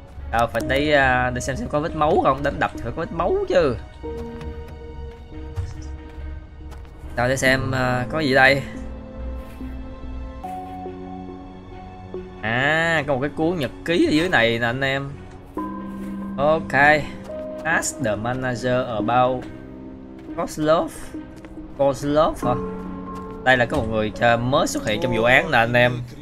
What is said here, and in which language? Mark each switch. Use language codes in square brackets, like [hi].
[vi] À, phải đi để xem có vết máu không, đánh đập thử có vết máu chứ. Tao để xem có gì đây. À, có một cái cuốn nhật ký ở dưới này nè anh em. [en] Ok, ask the manager about Kozlov. [vi] Kozlov hả? Đây là có một người mới xuất hiện trong vụ án nè anh em.